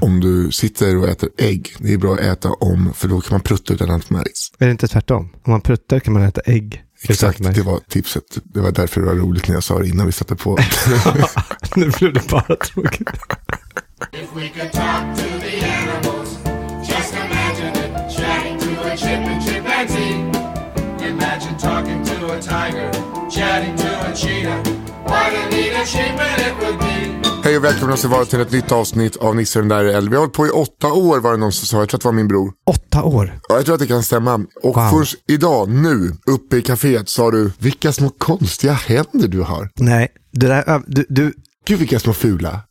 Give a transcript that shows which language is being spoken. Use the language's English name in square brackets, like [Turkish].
[Swedish] om du sitter och äter ägg, det är bra att äta om, för då kan man prutta utan att märks. Är det inte tvärtom? Om man pruttar kan man äta ägg. Exakt, det var tipset. Det var därför det var roligt när jag sa det innan vi satte på. Nu blev det bara tråkigt. [English] If we could talk to the animals, just imagine it, chatting to a chimpanzee. Imagine talking to a tiger, chatting to a cheetah. What a neat achievement it would be. [Swedish] Hej och välkomna ska vara till ett nytt avsnitt av Nisse den där i Elv. Vi har hållit på i 8 år, var det någon som sa. Jag tror att det var min bror. 8 år? Ja, jag tror att det kan stämma. Och wow. Först idag, nu, uppe i kaféet sa du, vilka små konstiga händer du har. Nej, det där, du... Gud, vilka små fula.